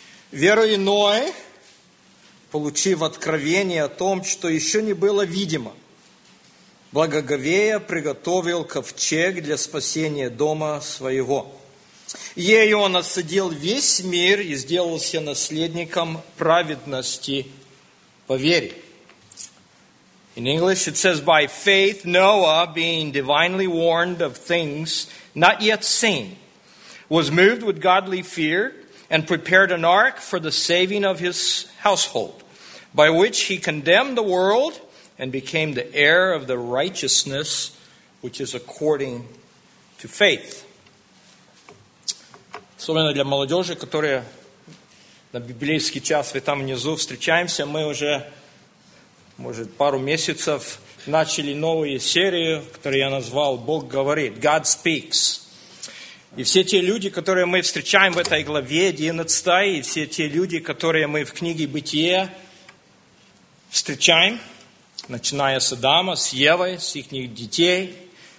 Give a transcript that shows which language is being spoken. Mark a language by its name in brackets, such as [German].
[Russian] «Верою Ной, получив откровение о том, что еще не было видимо, благоговея приготовил ковчег для спасения дома своего. Ею он осадил весь мир и сделался наследником праведности по вере». [English] In English it says, «By faith Noah, being divinely warned of things not yet seen, was moved with godly fear and prepared an ark for the saving of his household, by which he condemned the world and became the heir of the righteousness, which is according to faith». [Russian] Особенно для молодежи, которые на библейский час, мы там внизу встречаемся, мы уже, может, пару месяцев начали новую серию, которую я назвал «Бог говорит», [English] «God speaks». [Russian] И все те люди, которые мы встречаем в этой главе 11, и все те люди, которые мы в книге «Бытие» встречаем, начиная с Адама, с Евой, с их детей.